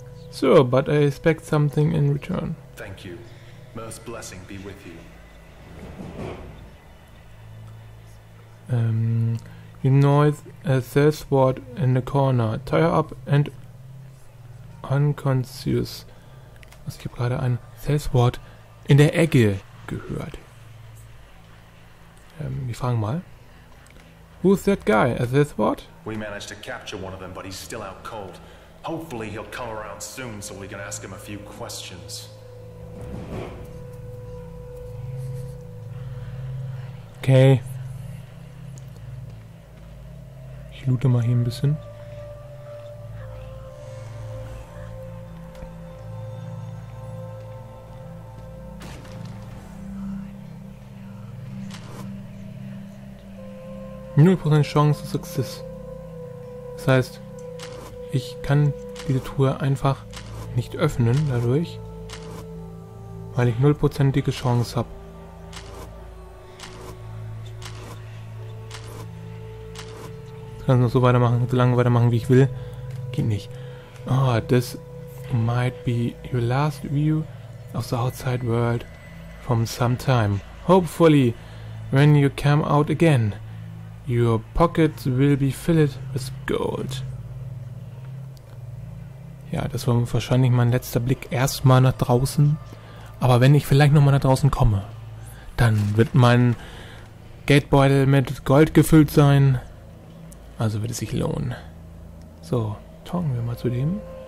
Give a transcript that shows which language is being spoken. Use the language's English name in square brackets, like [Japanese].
[English] Sir, so, but I expect something in return. Thank you. Merth's blessing be with you. You noise a third sword in the corner. Tie up and unconscious. [German] Was, ich habe gerade ein third sword in der Ecke gehört. Wir fragen mal. [English] Who's that guy? A third sword? We managed to capture one of them, but he's still out cold. Hopefully he'll come around soon, so we can ask him a few questions. Okay. [German] Ich loote mal hier ein bisschen. Null Prozent [English] Chance of Success. [German] Das heißt, ich kann diese Truhe einfach nicht öffnen dadurch, weil ich 0%ige Chance habe. Ich kann es noch so weitermachen, so lange weitermachen, wie ich will. Geht nicht. [English] Oh, this might be your last view of the outside world from some time. Hopefully, when you come out again, your pockets will be filled with gold. [German] Ja, das war wahrscheinlich mein letzter Blick erstmal nach draußen. Aber wenn ich vielleicht nochmal nach draußen komme, dann wird mein Geldbeutel mit Gold gefüllt sein. Also wird es sich lohnen. So, talken wir mal zu dem.